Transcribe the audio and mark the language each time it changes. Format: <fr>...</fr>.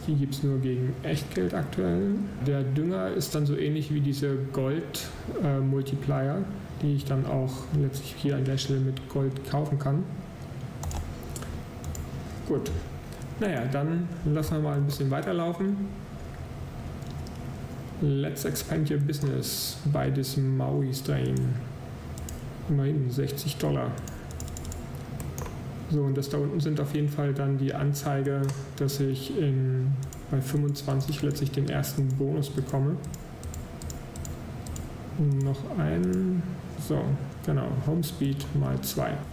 <de>Die gibt es nur gegen Echtgeld aktuell. Der Dünger ist dann so ähnlich wie diese Gold-Multiplier, die ich dann auch letztlich hier an der Stelle mit Gold kaufen kann. Gut. Naja, dann lassen wir mal ein bisschen weiterlaufen.</de> <en>Let's expand your business by this Maui Strain.</en> <de>Immerhin 60 Dollar. So, und das da unten sind auf jeden Fall dann die Anzeige, dass ich bei 25 letztlich den ersten Bonus bekomme. Und noch ein. So, genau. Home Speed mal 2.</de>